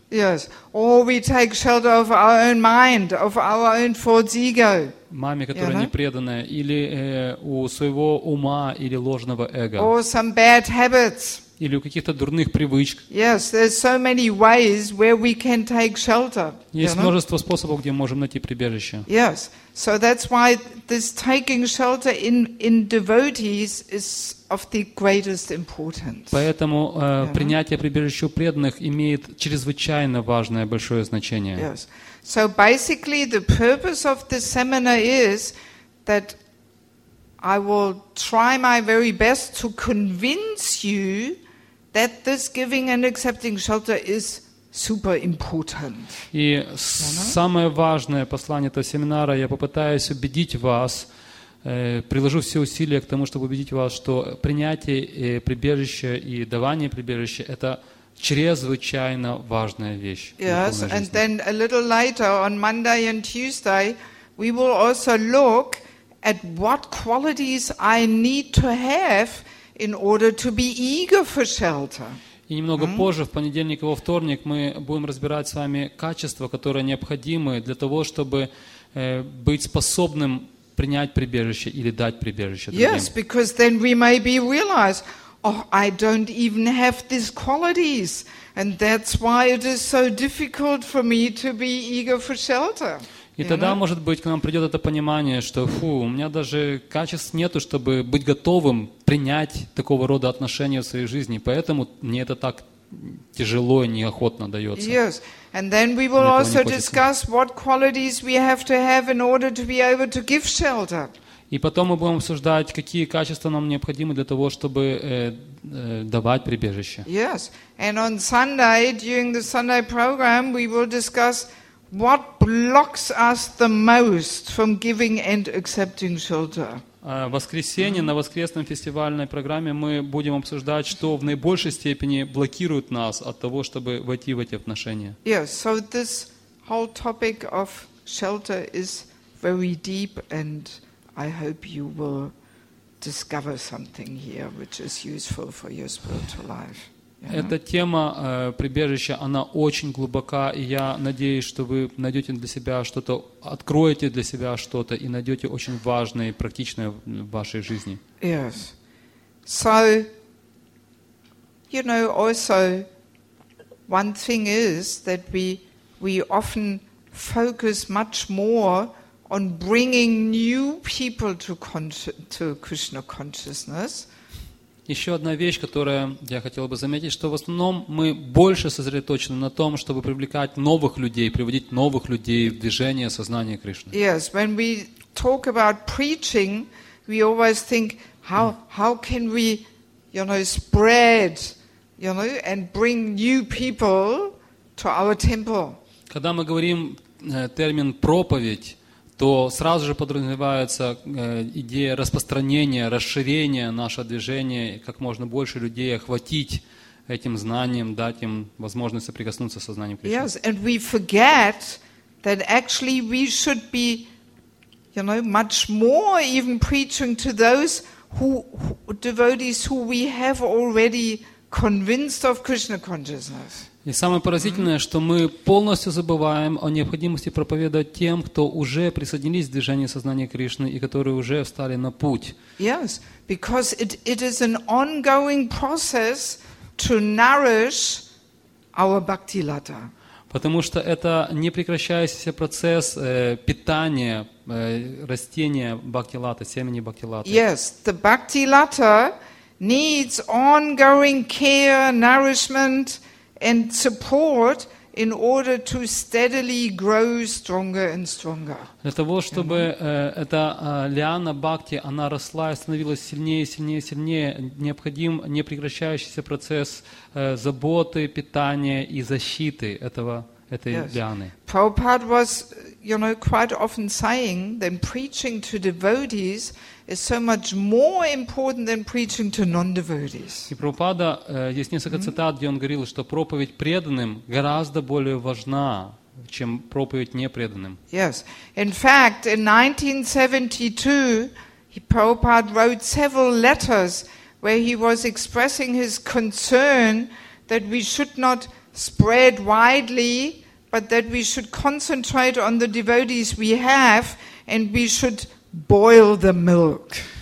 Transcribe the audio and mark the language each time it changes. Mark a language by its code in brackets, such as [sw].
[en] Yes, or we take shelter of our own mind, of our own false ego. [ru] Маме, которая [en] you know? [ru] Непреданная, или у своего ума или ложного эго. [en] Or some bad habits. [ru] Или у каких-то дурных привычек. [en] Yes, there's so many ways where we can take shelter. [ru] Есть множество способов, где мы можем найти прибежище. [en] Yes, so that's why this taking shelter in devotees is of the greatest importance. [ru] Поэтому принятие прибежища у преданных имеет чрезвычайно важное большое значение. [en] Yes. So basically the purpose of this seminar is that I will try my very best to convince you that this giving and accepting shelter is super important. [ru] И самое важное послание этого семинара, я попытаюсь убедить вас, приложу все усилия к тому, чтобы убедить вас, что принятие прибежища и давание прибежища – это чрезвычайно важная вещь в духовной жизни. [en] Yes, and then a little later, on Monday and Tuesday, we will also look at what qualities I need to have in order to be eager for shelter. [ru] И немного позже, в понедельник и во вторник, мы будем разбирать с вами качества, которые необходимы для того, чтобы быть способным принять прибежище или дать прибежище другим. [en] Yes, because then we maybe realize, oh, I don't even have these qualities, and that's why it is so difficult for me to be eager for shelter. [ru] И тогда, может быть, к нам придет это понимание, что, фу, у меня даже качеств нету, чтобы быть готовым принять такого рода отношения в своей жизни, поэтому мне это так тяжело и неохотно дается. [en] Yes, and then we will also discuss what qualities we have to have in order to be able to give shelter. [ru] И потом мы будем обсуждать, какие качества нам необходимы для того, чтобы давать прибежище. [en] Yes, and on Sunday, during the Sunday program, we will discuss what blocks us the most from giving and accepting shelter? [ru] В воскресенье на воскресном фестивальной программе мы будем обсуждать, что в наибольшей степени блокирует нас от того, чтобы войти в эти отношения. [en] Yes, so this whole topic of shelter is very deep, and I hope you will discover something here which is useful for your spiritual life. [ru] Эта тема прибежища, она очень глубока, и я надеюсь, что вы найдете для себя что-то, откроете для себя что-то и найдете очень важное и практичное в вашей жизни. [en] Yes. So, you know, also one thing is that we often focus much more on bringing new people to Krishna consciousness. [ru] Еще одна вещь, которую я хотел бы заметить, что в основном мы больше сосредоточены на том, чтобы привлекать новых людей, приводить новых людей в движение сознания Кришны. [en] Yes, when we talk about preaching, we always think, how can we, you know, spread you know, and bring new people to our temple. [ru] Когда мы говорим термин проповедь, то сразу же подразумевается идея распространения, расширения нашего движения, как можно больше людей охватить этим знанием, дать им возможность соприкоснуться со знанием Кришны. [en] Yes, and we forget that actually we should be, you know, much more even preaching to those devotees who we have already convinced of Krishna consciousness. [ru] И самое поразительное, что мы полностью забываем о необходимости проповедовать тем, кто уже присоединились к движению сознания Кришны и которые уже встали на путь. [en] Yes, because it is an ongoing process to nourish our bhakti lata. [ru] Потому что это непрекращающийся процесс питания растения бхакти лата, семени бхакти лата. [en] Yes, the bhakti lata needs ongoing care, nourishment and support in order to steadily grow stronger and stronger. [ru] Для того, чтобы эта лиана бхакти, она росла и становилась сильнее и сильнее и сильнее, необходим непрекращающийся процесс заботы, питания и защиты этой лианы. [en] Prabhupada was, you know, quite often saying that preaching to devotees is so much more important than preaching to non-devotees. [ru] И Прабхупада, есть несколько цитат, где он говорил, что проповедь преданным гораздо более важна, чем проповедь непреданным. [en] Yes. In fact, in 1972, Prabhupada wrote several letters where he was expressing his concern that we should not spread widely, but that we should concentrate on the devotees we have and we should boil the milk.